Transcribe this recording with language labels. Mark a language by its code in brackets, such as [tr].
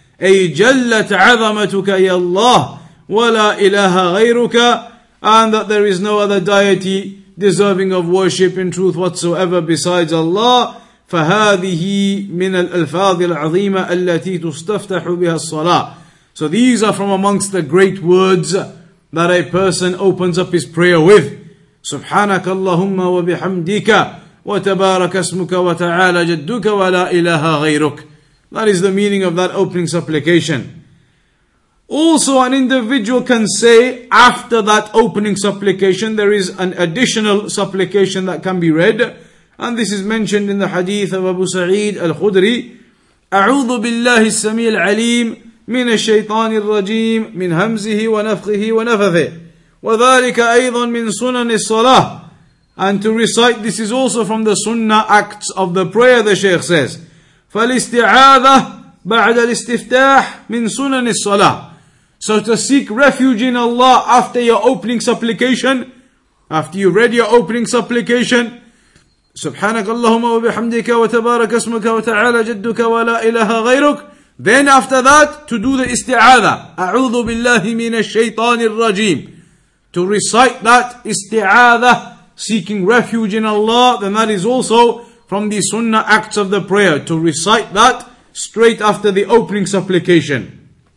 [ar] أي جلت عظمتك يا الله ولا إله غيرك. [en] And that there is no other deity deserving of worship in truth whatsoever besides Allah. [ar] فهذه من الألفاظ العظيمة التي تستفتح بها الصلاة. [en] So these are from amongst the great words that a person opens up his prayer with. [ar] سبحانك اللهم وبحمدك وَتَبَارَكَ اسْمُكَ وَتَعَالَى جَدُّكَ وَلَا إِلَهَا غَيْرُكَ. [en] That is the meaning of that opening supplication. Also, an individual can say after that opening supplication, there is an additional supplication that can be read. And this is mentioned in the hadith of Abu Sa'id al-Khudri. [ar] أَعُوذُ بِاللَّهِ السَّمِيعِ الْعَلِيمِ مِنَ الشَّيْطَانِ الرَّجِيمِ مِنْ هَمْزِهِ وَنَفْخِهِ وَنَفَثِهِ وَذَلِكَ أَيْضًا مِنْ سُنَنِ الصَّلَاةِ. [en] And to recite, this is also from the sunnah acts of the prayer, the Shaykh says. [ar] فَالِاسْتِعَاذَةِ بعد الاستفتاح من سنن الصلاة. [en] So to seek refuge in Allah after your opening supplication, after you read your opening supplication. [ar] سبحانك اللهم وبحمدك وتبارك اسمك وتعالى جدك ولا إله غيرك. [en] Then after that, to do the استعاذة. [ar] أعوذ بالله من الشيطان الرجيم. [en] To recite that استعاذة, seeking refuge in Allah, then that is also from the sunnah acts of the prayer. To recite that straight after the opening supplication.